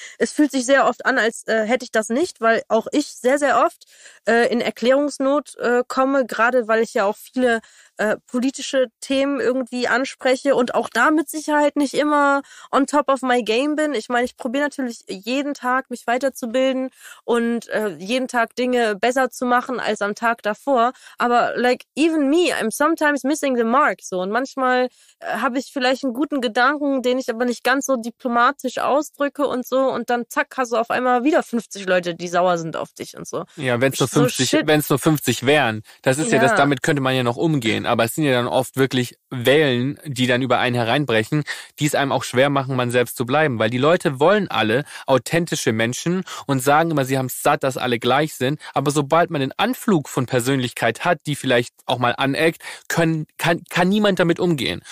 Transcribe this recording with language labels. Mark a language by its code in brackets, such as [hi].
[de] Es fühlt sich sehr oft an, als hätte ich das nicht, weil auch ich sehr, sehr oft in Erklärungsnot komme, gerade weil ich ja auch viele politische Themen irgendwie anspreche und auch da mit Sicherheit nicht immer [en] on top of my game [de] bin. Ich meine, ich probiere natürlich jeden Tag mich weiterzubilden und jeden Tag Dinge besser zu machen als am Tag davor. [en] Aber like even me, I'm sometimes missing the mark. [de] So, und manchmal habe ich vielleicht einen guten Gedanken, den ich aber nicht ganz so diplomatisch ausdrücke und so, und dann zack, hast du auf einmal wieder 50 Leute, die sauer sind auf dich und so. Ja, wenn es nur 50, so wenn es nur 50 wären, das ist ja, ja das, damit könnte man ja noch umgehen, aber es sind ja dann oft wirklich Wellen, die dann über einen hereinbrechen, die es einem auch schwer machen, man selbst zu bleiben, weil die Leute wollen alle authentische Menschen und sagen immer, sie haben es satt, dass alle gleich sind, aber sobald man den Anflug von Persönlichkeit hat, die vielleicht auch mal aneckt, kann niemand damit umgehen.